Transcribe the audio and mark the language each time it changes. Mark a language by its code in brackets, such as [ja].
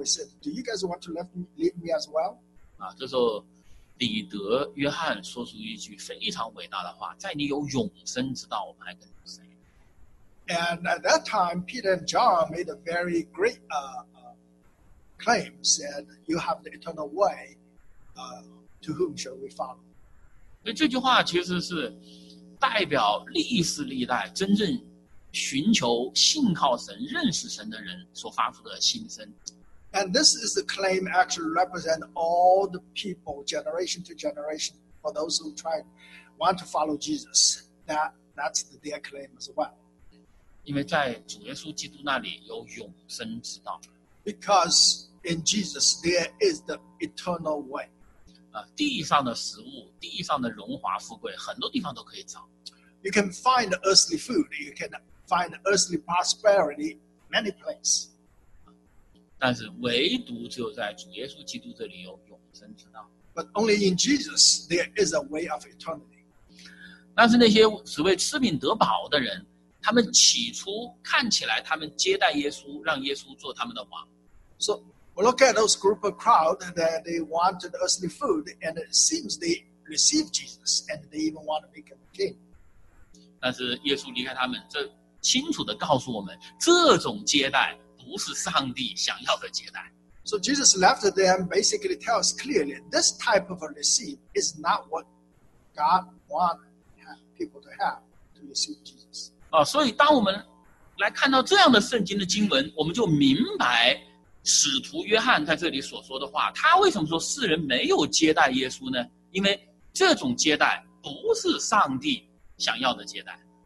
[en] He said, "Do you guys want to leave me as well?" [zh] 这时候彼得、约翰说出一句非常伟大的话：“在你有永生之道，我们还跟谁 [en] ？”And at that time, Peter and John made a very great claim, said, "You have the eternal way. To whom shall we follow?" [zh] 所以这句话其实是代表历史历代真正寻求、信靠神、认识神的人所发出的心声。 [en] And this is the claim actually represent all the people, generation to generation, for those who want to follow Jesus. That's their claim as well. [zh] 因为在主耶稣基督那里有永生之道。 [en] Because in Jesus there is the eternal way. [zh] 地上的食物、地上的荣华富贵，很多地方都可以找。 [en] You can find earthly food. You can find earthly prosperity many places. [zh] 但是唯独只有在主耶稣基督这里有永生之道。 [en] But only in Jesus there is a way of eternity. [zh] 但是那些只为吃饼得饱的人，他们起初看起来他们接待耶稣，让耶稣做他们的王。 [en] So we look at those group of crowd that they wanted earthly food, and it seems they received Jesus, and they even want to make him a king. [zh] 但是耶稣离开他们，这清楚地告诉我们，这种接待不是上帝想要的接待。 [en] So Jesus left them basically tells clearly this type of a receive is not what God wants people to have to receive Jesus. [zh] 所以当我们来看到这样的圣经的经文，我们就明白使徒约翰在这里所说的话。他为什么说世人没有接待耶稣呢？因为这种接待不是上帝想要的接待。